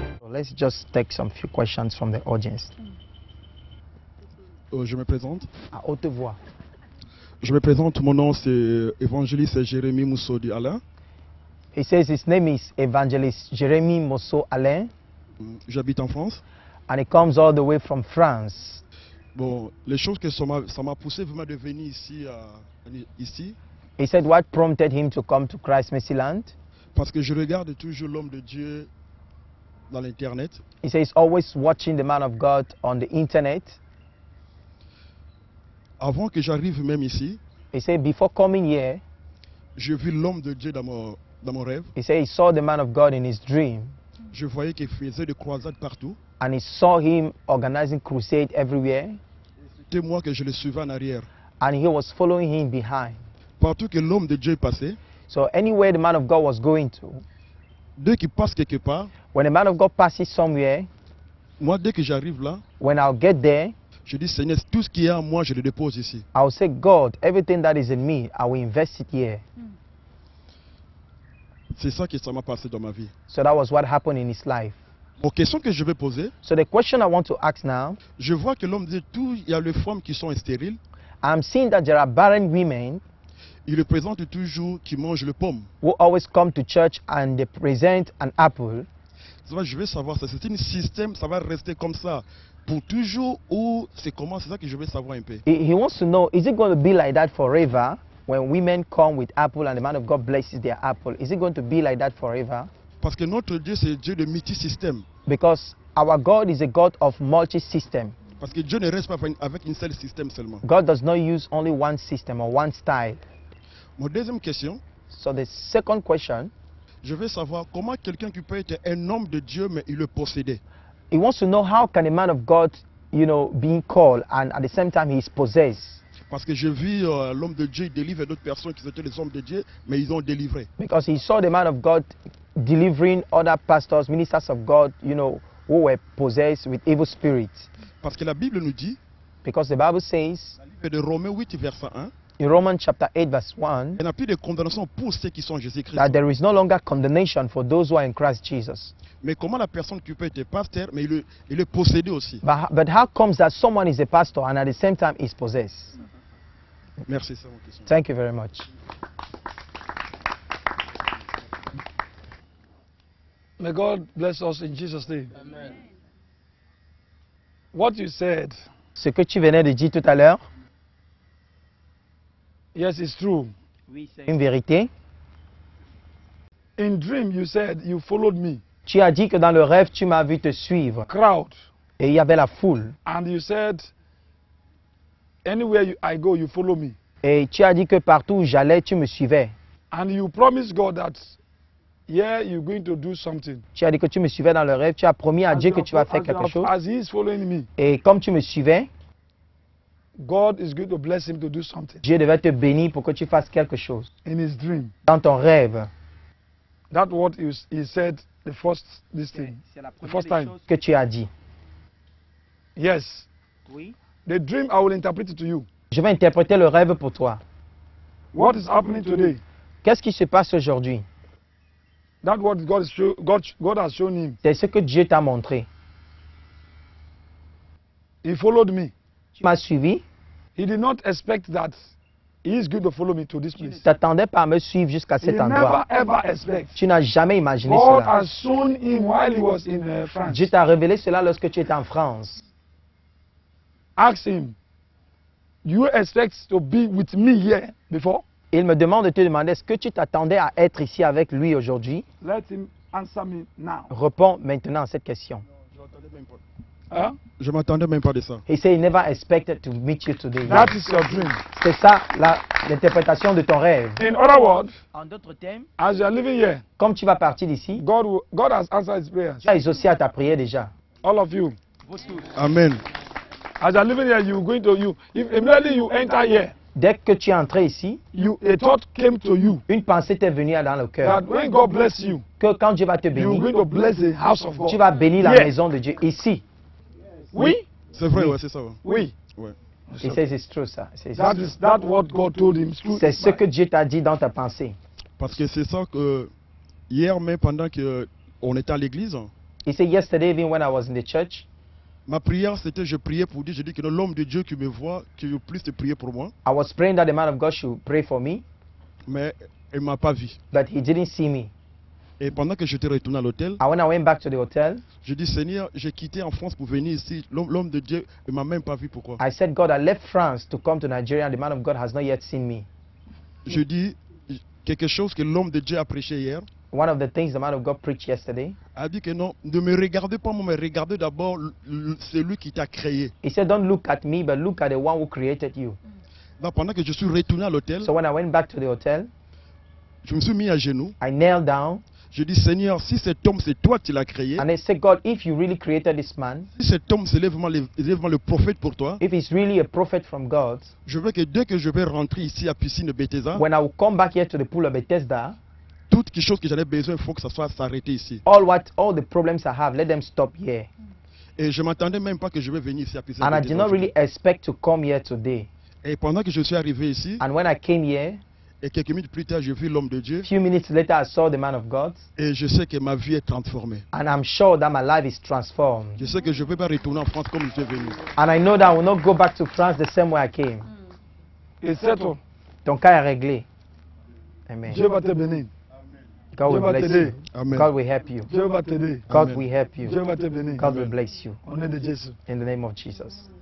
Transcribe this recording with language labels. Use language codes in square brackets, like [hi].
[en] Let's just take some few questions from the audience. [fr] Je me présente. À haute voix. Je me présente. Mon nom c'est évangéliste Jérémy Mousseau de Alain. [en] He says his name is evangelist Jérémy Mousseau Alain. [fr] J'habite en France. [en] And he comes all the way from France. [fr] Bon, les choses que ça m'a poussé vraiment de venir ici ici. [en] He said what prompted him to come to Christ Mercyland? [fr] Parce que je regarde toujours l'homme de Dieu dans l'internet. [en] He says he's always watching the man of God on the internet. [fr] Avant que j'arrive même ici, [en] he said, before coming here, [fr] je vis l'homme de Dieu dans mon rêve. [en] He said he saw the man of God in his dream. [fr] Je voyais qu'il faisait des croisades partout. [en] And he saw him organizing crusades everywhere. [fr] C'était moi que je le suivais en arrière. [en] And he was following him behind. [fr] Partout que l'homme de Dieu passait. [en] So anywhere the man of God was going to. [fr] Dès qu'il passe quelque part. [en] When the man of God passes somewhere. [fr] Moi dès que j'arrive là. [en] When I'll get there. [fr] Je dis Seigneur, tout ce qui est en moi, je le dépose ici. [en] I will say God, everything that is in me, I will invest it here. [fr] C'est ça qui m'a passé dans ma vie. [en] So that was what happened in his life. [fr] Bon, question que je vais poser. [en] So the question I want to ask now. [fr] Je vois que l'homme dit tout, il y a les femmes qui sont stériles. [en] I'm seeing that there are barren women. [fr] Il le présente toujours qui mange le pomme. [en] Who always come to church and they present an apple. [fr] Je veux savoir ça. C'est un système, ça va rester comme ça. Pour toujours ou c'est comment, c'est ça que je veux savoir un peu. [en] He wants to know, is it going to be like that forever when women come with apple and the man of God blesses their apple? Is it going to be like that forever? [fr] Parce que notre Dieu c'est Dieu de multi-système. [en] Because our God is a God of multi-system. [fr] Parce que Dieu ne reste pas avec une seule système seulement. [en] God does not use only one system or one style. [fr] Ma deuxième question. [en] So the second question. [fr] Je veux savoir comment quelqu'un qui peut être un homme de Dieu mais il le possédait. [en] He wants to know how can a man of God, you know, being called and at the same time he is possessed. [fr] Parce que j'ai vu l'homme de Dieu délivrer d'autres personnes qui étaient des hommes de Dieu, mais ils ont délivré. [en] Because he saw the man of God delivering other pastors, ministers of God, you know, who were possessed with evil spirits. [fr] Parce que la Bible nous dit. [en] Because the Bible says. [fr] Dans le livre de Romains 8, verset 1. [en] In Romans chapter 8 verse 1, [fr] il n'y a plus de condamnation pour ceux qui sont Jésus Christ. [en] That there is no longer condemnation for those who are in Christ Jesus. [fr] Mais comment la personne qui peut être pasteur, mais il est possédé aussi. [en] But how comes that someone is a pastor and at the same time is possessed? [fr] Merci, c'est mon question. [en] Thank you very much. May God bless us in Jesus' name. Amen. What you said, [fr] ce que tu venais de dire tout à l'heure, [en] yes, it's true. [fr] Oui, c'est une vérité. [en] In dream, you said you followed me. [fr] Tu as dit que dans le rêve, tu m'as vu te suivre. [en] Crowd. [fr] Et il y avait la foule. [en] And you said, anywhere I go, you follow me. [fr] Et tu as dit que partout où j'allais, tu me suivais. [en] And you promised God that, yeah, you're going to do something. [fr] Tu as dit que tu me suivais dans le rêve. Tu as promis à Dieu que tu vas faire quelque chose. [en] As he is following me. [fr] Et comme tu me suivais, [en] God is going to bless him to do something. [fr] Dieu devait te bénir pour que tu fasses quelque chose. [en] In his dream. [fr] Dans ton rêve. [en] That what he said the first this thing. [fr] C'est la première chose time. Que tu as dit. [en] Yes. [fr] Oui. [en] The dream I will interpret it to you. [fr] Je vais interpréter le rêve pour toi. [en] What is happening today? [fr] Qu'est-ce qui se passe aujourd'hui? [en] That what God has shown him. [fr] C'est ce que Dieu t'a montré. [en] He followed me. [fr] Tu m'as suivi. [en] He did not expect that he is going to follow me to this place. [fr] Tu t'attendais pas à me suivre jusqu'à cet endroit. [en] He never ever expect. [fr] Tu n'as jamais imaginé [en] God [fr] cela. [en] God has shown him while he was in France. [fr] Dieu t'a révélé cela lorsque tu étais en France. [en] Ask him. You expect to be with me here before? [fr] Il me demande de te demander, est-ce que tu t'attendais à être ici avec lui aujourd'hui? [en] Let him answer me now. [fr] Réponds maintenant à cette question. Je m'attendais même pas de ça. [en] He said he never expected to meet you today. That is your dream. [fr] C'est ça l'interprétation de ton rêve. [en] In other words, [fr] en d'autres termes, [en] as you are living here, [fr] comme tu vas partir d'ici, [en] God has answered his prayers. [fr] Tu as exaucé à ta prière déjà. [en] All of you. [fr] Vous tous. [en] Amen. As you are living here, you are going to you. If immediately you enter here. [fr] Dès que tu es entré ici, [en] a thought came to you, [fr] une pensée t'est venue dans le cœur. Que quand Dieu va te bénir, [en] you're going to bless the house of God. [fr] Tu vas bénir la maison de Dieu ici. Oui. C'est vrai, c'est ça. Oui. [en] He says it's true, ça. That what God told him. [fr] C'est ce que Dieu t'a dit dans ta pensée. Parce que c'est ça que hier, même pendant qu'on était à l'église. [en] He said yesterday, even when I was in the church. [fr] Ma prière, c'était je priais pour Dieu. Je dis que l'homme de Dieu qui me voit, qu'il puisse prier pour moi. [en] I was praying that the man of God should pray for me. [fr] Mais il m'a pas vu. [en] But he didn't see me. [fr] Et pendant que j'étais retourné à l'hôtel, [en] when I went back to the hotel, [fr] je dis Seigneur, j'ai quitté en France pour venir ici. L'homme de Dieu ne m'a même pas vu. Pourquoi? [en] I said God, I left France to come to Nigeria and the man of God has not yet seen me. [fr] Je dis quelque chose que l'homme de Dieu a prêché hier. [en] One of the things the man of God preached yesterday. [fr] A dit que non, ne me regardez pas moi, mais regardez d'abord celui qui t'a créé. [en] He said, don't look at me, but look at the one who created you. [fr] Donc pendant que je suis retourné à l'hôtel, [en] so when I went back to the hotel, [fr] je me suis mis à genoux. [en] I knelt down. [fr] Je dis Seigneur, si cet homme c'est toi qui l'as créé. [en] And I said, God, if you really created this man, [fr] si cet homme c'est lève-moi le prophète pour toi. [en] If he's really a prophet from God, [fr] je veux que dès que je vais rentrer ici à piscine de Bethesda, [en] when I will come back here to the pool of Bethesda. [fr] Toutes les choses que j'avais besoin, il faut que ça soit s'arrêter ici. [en] All the problems I have, let them stop here. [fr] Et je m'attendais même pas que je vais venir ici à Pisa. [en] And I did not really expect to come here today. [fr] Et pendant que je suis arrivé ici, [en] and when I came here, [fr] et quelques minutes plus tard, j'ai vu l'homme de Dieu. [en] Few minutes later, I saw the man of God. [fr] Et je sais que ma vie est transformée. [en] And I'm sure that my life is transformed. [fr] Je sais que je ne vais pas retourner en France comme je suis venu. [en] And I know that I will not go back to France the same way I came. [fr] Et c'est tout. Ton cas est réglé. Amen. Dieu va te bénir. [en] God will bless you. Amen. God will help you. God will help you. God will bless you. In the name of Jesus.